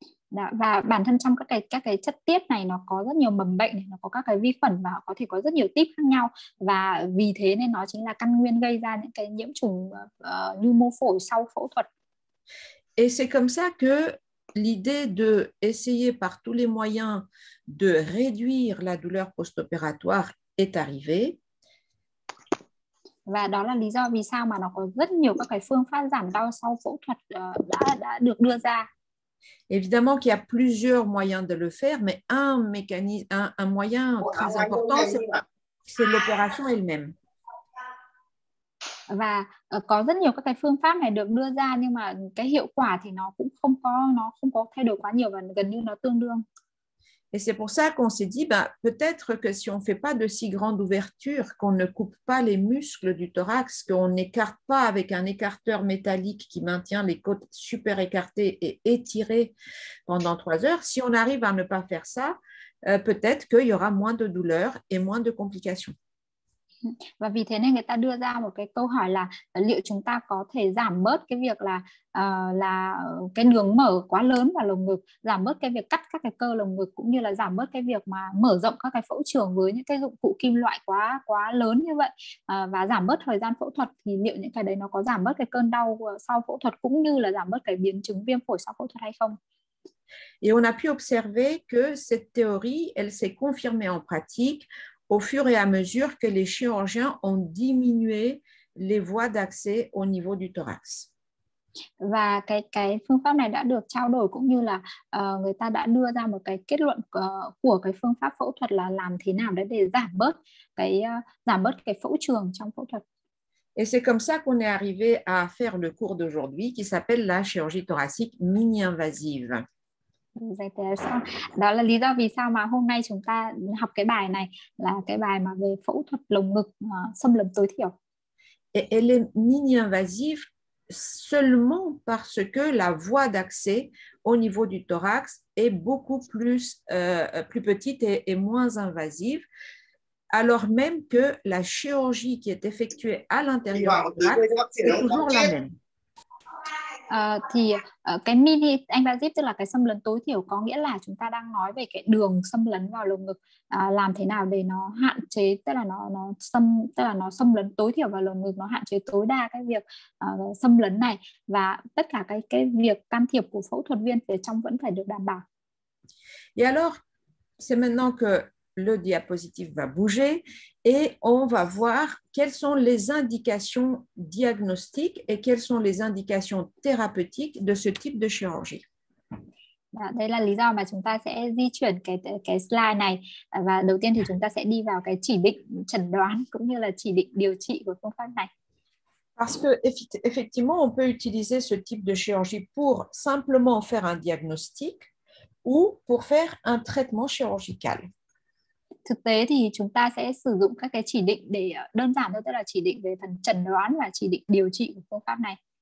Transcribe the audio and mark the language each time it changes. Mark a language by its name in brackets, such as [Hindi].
[Vietnamese] Đã, và bản thân trong các cái chất tiết này nó có rất nhiều mầm bệnh này, nó có các cái vi khuẩn và có thể có rất nhiều típ khác nhau, và vì thế nên nó chính là căn nguyên gây ra những cái nhiễm trùng nhu mô phổi sau phẫu thuật. [French] Et c'est comme ça que l'idée de essayer par tous les moyens de réduire la douleur post-opératoire est arrivée. [Vietnamese] Và đó là lý do vì sao mà nó có rất nhiều các cái phương pháp giảm đau sau phẫu thuật đã được đưa ra. [French] Évidemment qu'il y a plusieurs moyens de le faire, mais un mécanisme, un moyen très important, c'est l'opération elle-même. [Vietnamese] Và có rất nhiều các cái phương pháp này được đưa ra, nhưng mà cái hiệu quả thì nó cũng không có thay đổi quá nhiều và gần như nó tương đương. [French] Et c'est pour ça qu'on s'est dit, bah, peut-être que si on ne fait pas de si grande ouverture, qu'on ne coupe pas les muscles du thorax, qu'on n'écarte pas avec un écarteur métallique qui maintient les côtes super écartées et étirées pendant 3 heures, si on arrive à ne pas faire ça, peut-être qu'il y aura moins de douleurs et moins de complications. [Vietnamese] Và vì thế nên người ta đưa ra một cái câu hỏi là liệu chúng ta có thể giảm bớt cái việc là cái đường mở quá lớn vào lồng ngực, giảm bớt cái việc cắt các cái cơ lồng ngực, cũng như là giảm bớt cái việc mà mở rộng các cái phẫu trường với những cái dụng cụ kim loại quá quá lớn như vậy, và giảm bớt thời gian phẫu thuật, thì liệu những cái đấy nó có giảm bớt cái cơn đau sau phẫu thuật cũng như là giảm bớt cái biến chứng viêm phổi sau phẫu thuật hay không? [French] Et on a pu observer que cette théorie, elle s'est confirmée en pratique au fur et à mesure que les chirurgiens ont diminué les voies d'accès au niveau du thorax. [Vietnamese] Và cái phương pháp này đã được trao đổi cũng như là người ta đã đưa ra một cái kết luận của cái phương pháp phẫu thuật là làm thế nào để giảm bớt cái phẫu trường trong phẫu thuật. [French] Et c'est comme ça qu'on est arrivé à faire le cours d'aujourd'hui qui s'appelle la chirurgie thoracique mini-invasive. [Vietnamese] Đó là lý do vì sao mà hôm nay chúng ta học cái bài này, là cái bài mà về phẫu thuật lồng ngực xâm lấn tối thiểu. [French] Et elle est mini-invasive seulement parce que la voie d'accès au niveau du thorax est beaucoup plus petite et moins invasive, alors même que la chirurgie qui est effectuée à l'intérieur du thorax est toujours la même. [Vietnamese] Cái mini invasive tức là cái xâm lấn tối thiểu, có nghĩa là chúng ta đang nói về cái đường xâm lấn vào lồng ngực, làm thế nào để nó hạn chế, tức là nó xâm lấn tối thiểu vào lồng ngực, nó hạn chế tối đa cái việc xâm lấn này, và tất cả cái việc can thiệp của phẫu thuật viên phía trong vẫn phải được đảm bảo. [French] Et alors, c'est maintenant que le diapositive va bouger et on va voir quelles sont les indications diagnostiques et quelles sont les indications thérapeutiques de ce type de chirurgie. [Vietnamese] Đây là lý do mà chúng ta sẽ di chuyển cái slide này. Và đầu tiên thì chúng ta sẽ đi vào cái chỉ định chẩn đoán cũng như là chỉ định điều trị của phương pháp này. [French] Parce que effectivement, on peut utiliser ce type de chirurgie pour simplement faire un diagnostic ou pour faire un traitement chirurgical. [Vietnamese] Thực tế thì chúng ta sẽ sử dụng các cái chỉ định để đơn giản thôi, tức là chỉ định về phần chẩn đoán và chỉ định điều trị của phương pháp này.